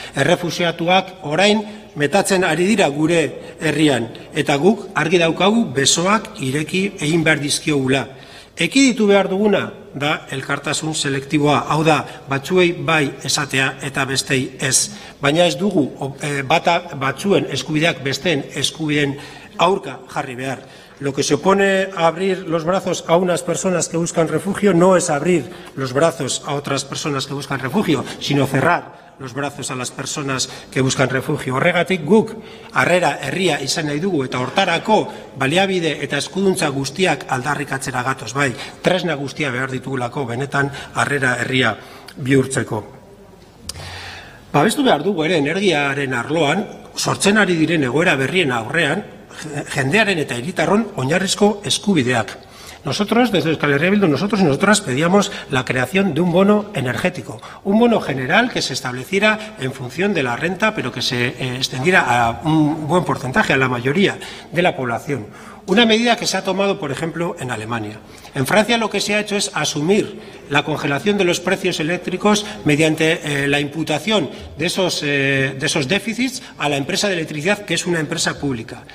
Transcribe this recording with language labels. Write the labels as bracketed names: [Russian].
[Basque] Errefuxiatuak orain metatzen ari dira gure herrian, eta guk argi daukagu besoak ireki egin behar dizkiogula. Ekiditu behar duguna da elkartasun selektiboa, hau da, batzuei bai esatea eta bestei ez. Baina ez dugu batzuen eskubideak besteen eskubideen aurka jarri behar. [Spanish] Lo que se opone a abrir los brazos a unas personas que buscan refugio no es abrir los brazos a otras personas que buscan refugio, sino cerrar los brazos a las personas que buscan refugio. [Basque] Horregatik guk, harrera herria izan nahi dugu eta hortarako baliabide eta eskuduntza guztiak aldarrikatzera gatoz, bai, tresna guztia behar ditugulako benetan harrera herria bihurtzeko. Babestu behar dugu ere energiaren arloan, sortzen ari diren egoera berrien aurrean, jendearen eta hiritarron oinarrizko eskubideak. [Spanish] Nosotros, desde Euskal Herria Bildu, nosotros y nosotras pedíamos la creación de un bono energético, un bono general que se estableciera en función de la renta, pero que se extendiera a un buen porcentaje, a la mayoría de la población. Una medida que se ha tomado, por ejemplo, en Alemania. En Francia lo que se ha hecho es asumir la congelación de los precios eléctricos mediante la imputación de esos déficits a la empresa de electricidad, que es una empresa pública.